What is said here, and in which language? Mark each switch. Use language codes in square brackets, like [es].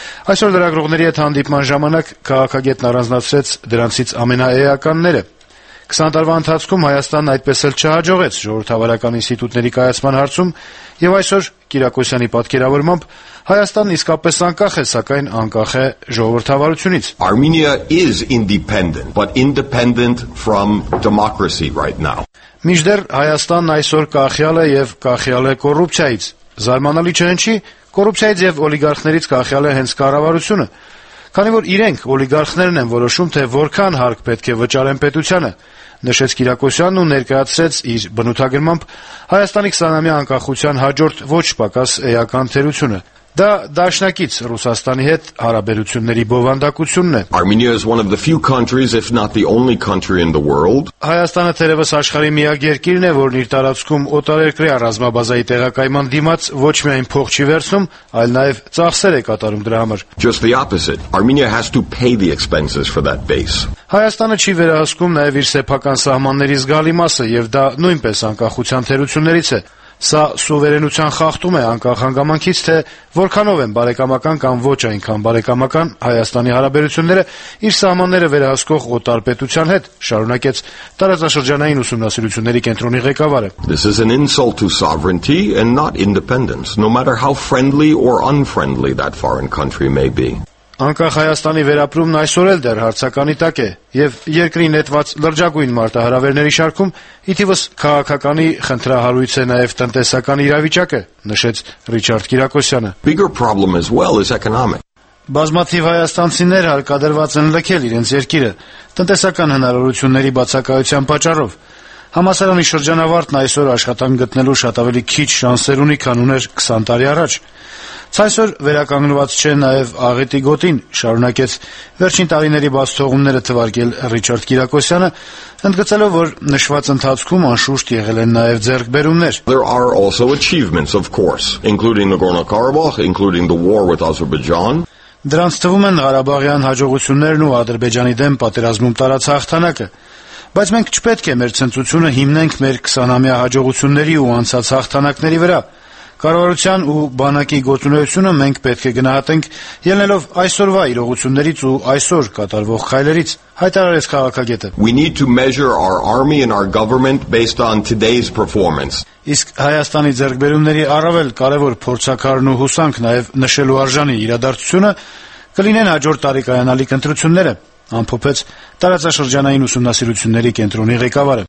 [hy] Այսօր լրագրողների հետ հանդիպման ժամանակ քաղաքագետն առանձնացրեց դրանցից ամենաէականները։ 20 տարվա ընթացքում Հայաստանն այդպես էլ չհաջողեց ժողովրդավարական ինստիտուտների կայացման հարցում, եւ այսօր Գիրակոսյանի պատկերավորմամբ Հայաստանն իսկապես անկախ է, սակայն անկախ է ժողովրդավարությունից։ [en] Armenia is independent, but independent from democracy right now. [hy] Միջդեռ Հայաստանն այսօր կախյալ է եւ կախյալ է կոռուպցիայից։ Զարմանալի չէ ինչի, կոռուպցիայից եւ օլիգարխներից կախյալ է հենց կառավարությունը։ Քանի որ իրենք օլիգարխներն են որոշում, թե որքան հարկ պետք է վճարեն պետությանը, նշեց Գիրակոսյանն ու ներկայացրեց իր բնութագրմամբ Հայաստանի 20-ամյա անկախության հաջորդ ոչ պակաս էական թերությունը։ Դա դաշնակից Ռուսաստանի հետ հարաբերությունների բովանդակությունն է։ [en] Armenia is one of the few countries, if not the only country in the world. [hy] Հայաստանը թերևս աշխարհի միակ երկիրն է, որն իր տարածքում օտարերկրյա ռազմաբազայի տեղակայման դիմաց ոչ միայն փող չի վերցնում, այլ նաև ծախսեր է կատարում դրա համար։ [en] Just the opposite. Armenia has to pay the expenses for that base. [hy] Հայաստանը չի վերահսկում նաև իր սեփական սահմանների զգալի մասը, եւ դա նույնպես անկախության թերություններից է։ Սա սուվերենության խախտում է անկախ հանգամանքից, թե որքանով են բարեկամական կամ ոչ այնքան բարեկամական Հայաստանի հարաբերությունները իր սահմանները վերահսկող օտար պետության հետ, շարունակեց տարածաշրջանային ուսումնասիրությունների կենտրոնի ղեկավարը։ [en] This is an insult to sovereignty and not independence, no matter how friendly or unfriendly that foreign country may be. [hy] Անկախ Հայաստանի վերապրումն այսօր էլ դեռ հարցականի տակ է, եւ երկրի նետված լրջագույն մարտահրավերների շարքում ի թիվս քաղաքականի խնդրահարույց է նաեւ տնտեսական իրավիճակը, նշեց Ռիչարդ Կիրակոսյանը. [en] Bigger problem as well is economic. [hy] Բազմաթիվ հայաստանցիներ հարկադրված են լքել իրենց երկիրը տնտեսական հնարավորությունների բացակայության պատճառով. Համասարանի շրջանավարտն այսօր աշխատանք գտնելու շատ ավելի քիչ շանսեր ունի, քան ուներ 20 տարի առաջ. Ցայսօր վերականգնված չէ նաև աղետի գոտին, շարունակեց վերջին տարիների բաց թողումները թվարկել Ռիչարդ Կիրակոսյանը, ընդգծելով, որ նշված ընթացքում անշուշտ եղել են նաև ձեռքբերումներ. [en] There are also achievements, of course, including Nagorno-Karabakh, including the war with Azerbaijan. [hy] Դրանց թվում են Ղարաբաղյան հաջողություններն ու Ադրբեջանի դեմ պատերազմում տարածած հաղթանակը. Բայց մենք չպետք է մեր ցնծությունը հիմնենք մեր 20-ամյա հաջողությունների ու անցած հաղթանակների վրա։ Կառավարության ու բանակի գործունեությունը մենք պետք է գնահատենք ելնելով այսօրվա իրողություններից ու այսօր կատարվող քայլերից, հայտարարեց քաղաքագետը։ [en] We need to measure our army and our government based on today's performance. [hy] Իսկ Հայաստանի ձեռքբերումների առավել կարևոր փորձակարն ու հուսանք նաև նշելու արժանի իրադարձությունը կլինեն հաջորդ տարի կայանալի քննությունները։ Անփոփոխ տարածաշրջանային ուսումնասիրությունների կենտրոնի ղեկավարը.